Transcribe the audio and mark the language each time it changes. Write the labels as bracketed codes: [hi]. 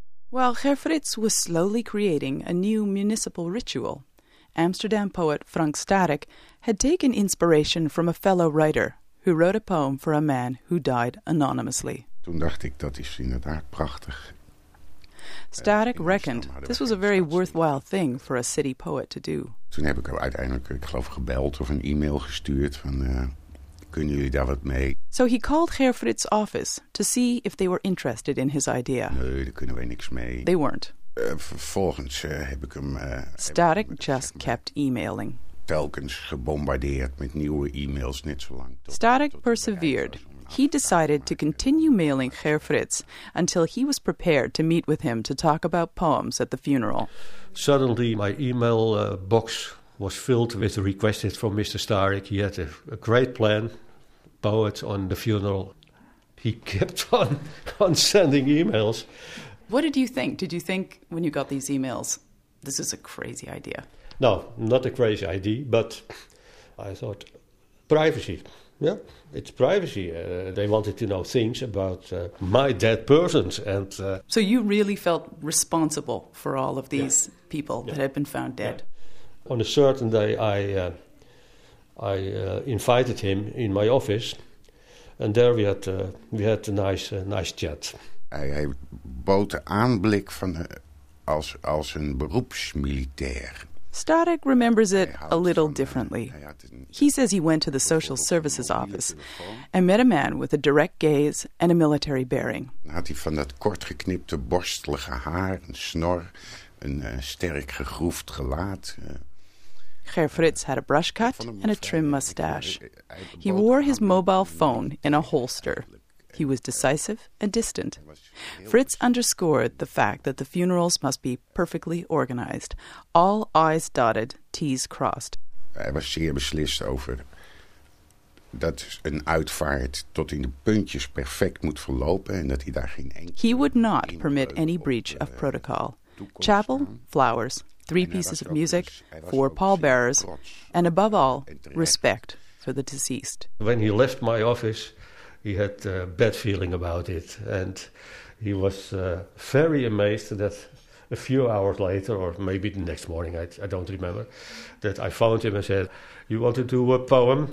[en] While Herr Fritz was slowly creating a new municipal ritual, Amsterdam poet Frank Static had taken inspiration from a fellow writer who wrote a poem for a man who died anonymously. [nl] Toen dacht ik, dat is inderdaad prachtig. [en] Static reckoned this was a very worthwhile thing for a city poet to do. [nl] Toen heb ik hem uiteindelijk, ik geloof, gebeld of een e-mail gestuurd van, kunnen jullie daar wat mee? [en] So he called Herr Fritz's office to see if they were interested in his idea. [nl] Nee, daar kunnen wij niks mee. [en] They weren't. [nl] Vervolgens heb ik hem... [en] Static just kept emailing. [nl] Telkens gebombardeerd met nieuwe e-mails, net zo lang. [en] Static persevered. He decided to continue mailing Herr Fritz until he was prepared to meet with him to talk about poems at the funeral. Suddenly, my email box was filled with requests from Mr. Static. He had a great plan, poets on the funeral. He kept on sending emails. What did you think? Did you think when you got these emails, this is a crazy idea? No, not a crazy idea, but I thought privacy. Yeah, it's privacy. They wanted to know things about my dead persons. And so you really felt responsible for all of these people that had been found dead? Yeah. On a certain day, I invited him in my office. And there we had a nice chat. [nl] Hij bood de aanblik van als een beroepsmilitair. [en] Static remembers it a little differently. He says he went to the social services office and met a man with a direct gaze and a military bearing. [nl] Had hij van dat kortgeknipte borstelige haar, een snor, een sterk gegroefd gelaat. [en] Herr Fritz had a brush cut and a trim mustache. He wore his mobile phone in a holster. He was decisive and distant. Fritz underscored the fact that the funerals must be perfectly organized, all I's dotted, T's crossed. [nl] Hij was zeer beslist over dat een uitvaart tot in de puntjes perfect moet verlopen en dat hij daar geen enkel. [en] He would not permit any breach of protocol. Chapel, flowers, three pieces of music, four pallbearers, and above all, respect for the deceased. When he left my office, he had a bad feeling about it, and he was very amazed that a few hours later, or maybe the next morning, I don't remember, that I phoned him and said, you want to do a poem?